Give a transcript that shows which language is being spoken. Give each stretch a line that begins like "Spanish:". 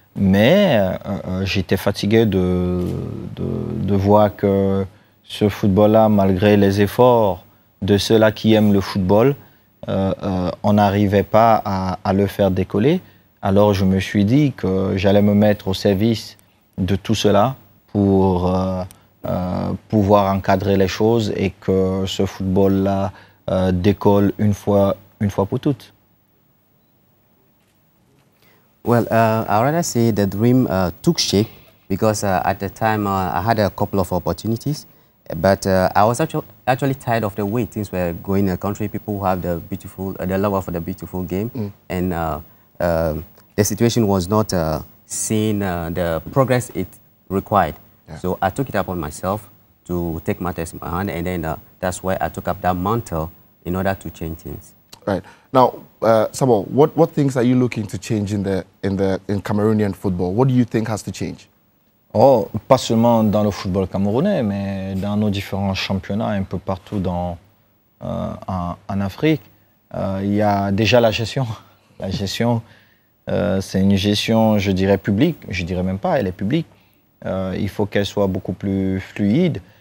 French: Mais j'étais fatigué de voir que ce football-là, malgré les efforts de ceux-là qui aiment le football, on n'arrivait pas à le faire décoller. Alors je me suis dit que j'allais me mettre au service de tout cela pour pouvoir encadrer les choses et que ce football-là décolle une fois pour toutes.
English: Well, I'd rather say the dream took shape because at the time I had a couple of opportunities, but I was actually tired of the way things were going in the country. People who have the love for the beautiful game, and the situation was not seeing the progress it required. Yeah. So I took it upon myself to take matters in my hand, and then that's why I took up that mantle in order to change things. Right. Now, Samuel, what things are you looking to change in Cameroonian football? What do you think has to change?
French: Oh, pas seulement dans le football camerounais, mais dans nos différents championnats un peu partout en Afrique. Il y a déjà la gestion. La gestion, c'est une gestion, je dirais, publique. Je dirais même pas, elle est publique. Il faut qu'elle soit beaucoup plus fluide.